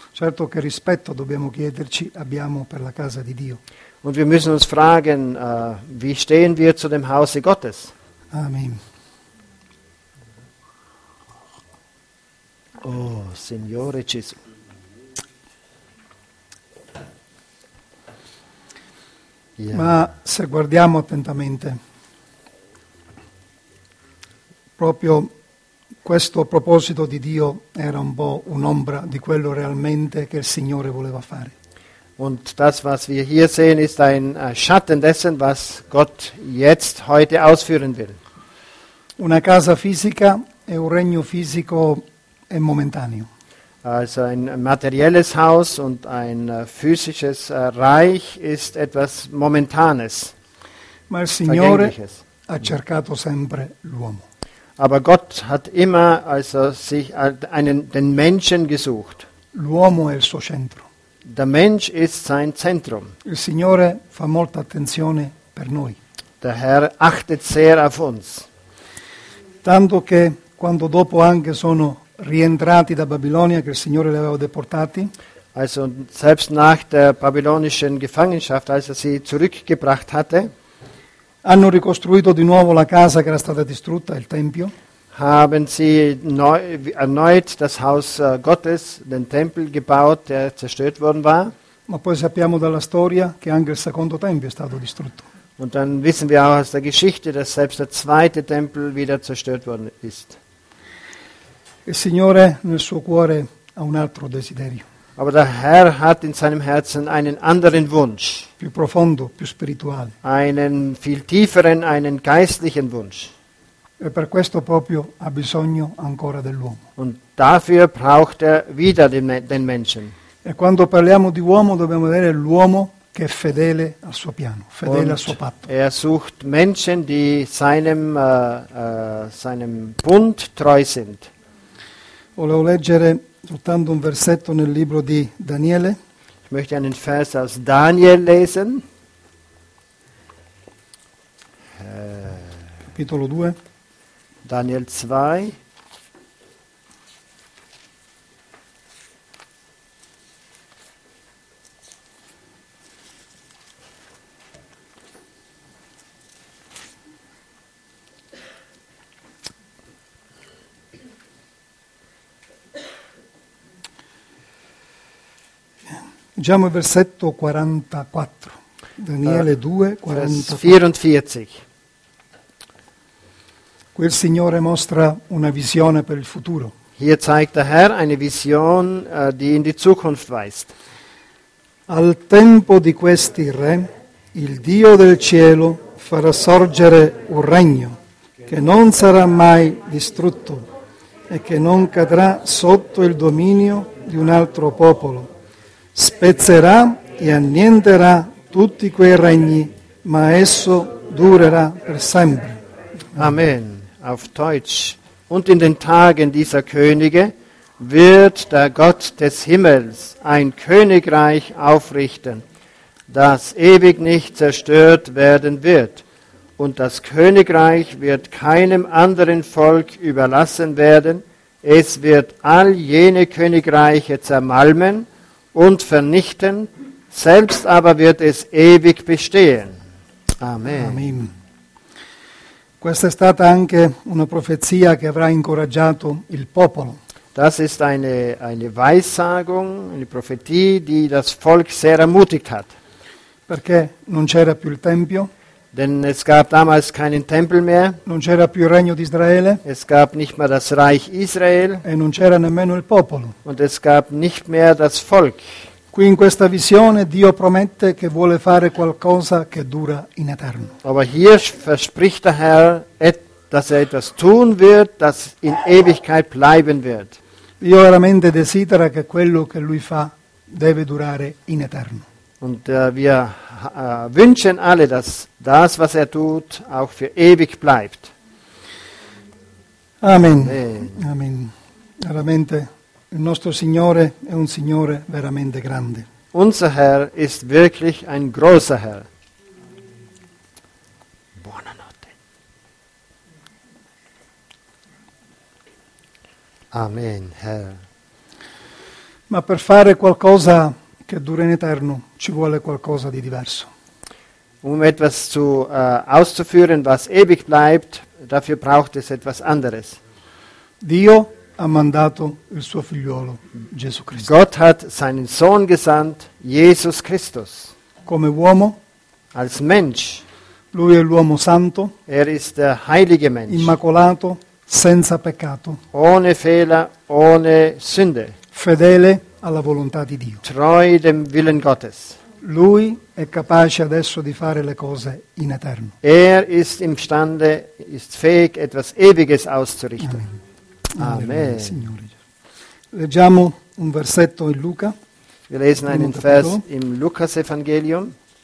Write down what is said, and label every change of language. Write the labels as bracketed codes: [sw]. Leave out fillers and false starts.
[it] Certo che rispetto dobbiamo chiederci abbiamo per la casa di Dio. [de] Und wir müssen uns fragen, wie stehen wir zu dem Hause Gottes? Amen. [it] Oh, Signore Gesù. Ma se guardiamo attentamente, proprio questo proposito di Dio era un po' un'ombra di quello realmente che il Signore voleva fare. [de] Und das, was wir hier sehen, ist ein Schatten dessen, was Gott jetzt heute ausführen will. [it] Una casa fisica e un regno fisico è momentaneo. [de] Also ein materielles Haus und ein physisches Reich ist etwas Momentanes. [it] Ma il Signore ha cercato sempre l'uomo. [de] Aber Gott hat immer also sich einen, den Menschen gesucht. [it] L'uomo è il suo centro. [de] Der Mensch ist sein Zentrum. [it] Il Signore fa molta attenzione per noi. [de] Der Herr achtet sehr auf uns. [it] Tanto che quando dopo anche sono rientrati da Babilonia, che il Signore li aveva deportati. [de] Also selbst nach der babylonischen Gefangenschaft, als er sie zurückgebracht hatte, [it] hanno ricostruito di nuovo la casa che era stata distrutta, il Tempio. [de] Haben sie erneut das Haus Gottes, den Tempel gebaut, der zerstört worden war. [it] Ma poi sappiamo dalla storia che anche il secondo Tempio è stato distrutto. [de] Und dann wissen wir auch aus der Geschichte, dass selbst der zweite Tempel wieder zerstört worden ist. [it] Il Signore nel suo cuore ha un altro desiderio. [de] Aber der Herr hat in seinem Herzen einen anderen Wunsch. [it] Più profondo, più spirituale. [de] Einen viel tieferen, einen geistlichen Wunsch. [it] E per questo proprio ha bisogno ancora dell'uomo. [de] Und dafür braucht er wieder den Menschen. [it] E quando parliamo di uomo dobbiamo vedere l'uomo che è fedele al suo piano, fedele [de] und [it] al suo patto. [de] Er sucht Menschen, die seinem seinem Bund treu sind. [it] Volevo leggere soltanto un versetto nel libro di Daniele. [de] Ich möchte einen Vers aus Daniel lesen. [it] Capitolo 2. [de] Daniel 2. [it] Leggiamo il versetto 44, Daniele 2, 44. Qui il Signore mostra una visione per il futuro. [de] Hier zeigt der Herr eine Vision, die in die Zukunft weist. [it] Al tempo di questi re, il Dio del cielo farà sorgere un regno che non sarà mai distrutto e che non cadrà sotto il dominio di un altro popolo. Spezzerà e annienterà tutti quei regni, ma esso durerà per sempre. [de] Amen. Auf Deutsch. Und in den Tagen dieser Könige wird der Gott des Himmels ein Königreich aufrichten, das ewig nicht zerstört werden wird. Und das Königreich wird keinem anderen Volk überlassen werden. Es wird all jene Königreiche zermalmen und vernichten, selbst aber wird es ewig bestehen. Amen. Amen. [it] Questa è stata anche una profezia che avrà incoraggiato il popolo. [de] Das ist eine Weissagung, eine Prophetie, die das Volk sehr ermutigt hat. [it] Perché non c'era più il Tempio. [de] Denn es gab damals keinen Tempel mehr. [it] Non c'era più il regno di Israele. [de] Es gab nicht mehr das Reich Israel. [it] E non c'era nemmeno il popolo. [de] Und es gab nicht mehr das Volk. [it] Qui in questa visione Dio promette che vuole fare qualcosa che dura in eterno. [de] Aber hier verspricht der Herr, dass er etwas tun wird, das in Ewigkeit bleiben wird. [it] Dio veramente desidera che quello che lui fa deve durare in eterno. [de] Und wir wünschen alle, dass das, was er tut, auch für ewig bleibt. Amen. Amen. [it] Veramente, il nostro Signore è un Signore veramente grande. [de] Unser Herr ist wirklich ein großer Herr. [it] Buonanotte. [de] Amen, Herr. [it] Ma per fare qualcosa che dura in eterno, ci vuole qualcosa di diverso. [de] Etwas zu auszuführen, was ewig bleibt, dafür braucht es etwas anderes. [it] Dio ha mandato il suo figliolo Gesù Cristo. [de] Gott hat seinen Sohn gesandt, Jesus Christus. [it] Come uomo, [de] als Mensch. [it] Lui è l'uomo santo. [de] Er ist der heilige Mensch. [it] Immacolato, senza peccato. [de] Ohne Fehler, ohne Sünde. [it] Fedele alla volontà di Dio. [de] Treu dem Willen Gottes. [it] Lui è capace adesso di fare le cose in eterno. [de] Er ist imstande, ist fähig, etwas Ewiges auszurichten. [it] Amen. Signore. Leggiamo un versetto in Luca. [de] Wir lesen einen Vers im Lukas Evangelium.